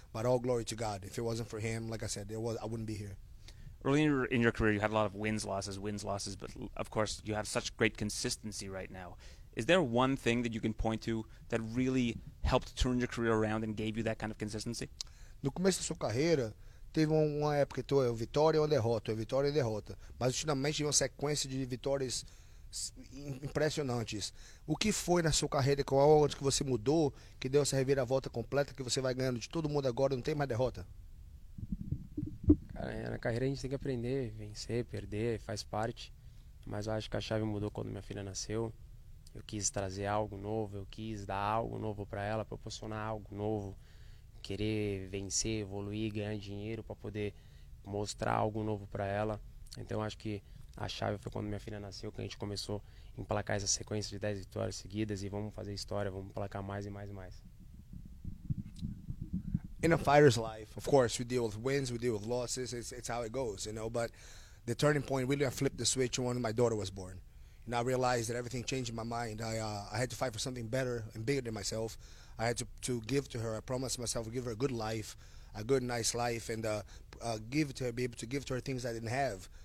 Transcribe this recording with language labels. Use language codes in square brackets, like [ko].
[en] But all glory to God. If it wasn't for him, like I said, I wouldn't be here. Early in your career, you had a lot of wins, losses. But of course, you have such great consistency right now. Is there one thing that you can point to that really helped turn your career around and gave you that kind of consistency? [pt] No começo da sua carreira, teve uma época que então, vitória ou derrota, mas ultimamente teve uma sequência de vitórias impressionantes. O que foi na sua carreira, qual onde que você mudou, que deu essa reviravolta completa, que você vai ganhando de todo mundo agora, não tem mais derrota? Cara, na carreira a gente tem que aprender, vencer, perder, faz parte, mas eu acho que a chave mudou quando minha filha nasceu. Eu quis trazer algo novo, eu quis dar algo novo para ela, proporcionar algo novo, querer vencer, evoluir, ganhar dinheiro para poder mostrar algo novo para ela. Então acho que a chave foi quando minha filha nasceu, que a gente começou a emplacar essa sequência de 10 vitórias seguidas e vamos fazer história, vamos emplacar mais e mais e mais. [en] In a fighter's life, of course, we deal with wins, we deal with losses, it's how it goes, you know, but the turning point, really, I flipped the switch when my daughter was born. And I realized that everything changed in my mind. I had to fight for something better and bigger than myself. I had to give to her. I promised myself to give her a good life, a good, nice life, and give to her, be able to give to her things I didn't have.